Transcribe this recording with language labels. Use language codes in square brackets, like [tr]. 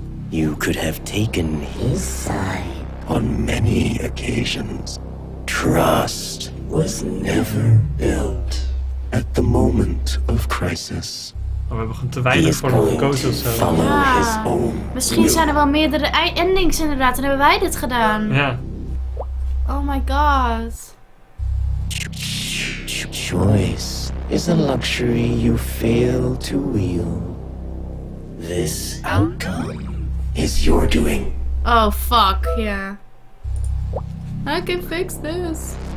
[en] You could have taken his side on many occasions. Trust was never built at the moment of crisis. [nl] Oh, we hebben gewoon te weinig voor hem gekozen of zo. Ja. Misschien zijn er wel meerdere endings inderdaad. En hebben wij dit gedaan. Ja. [en] Oh my god. Choice is a luxury you fail to wield. This outcome is your doing. Oh fuck, yeah. I can fix this.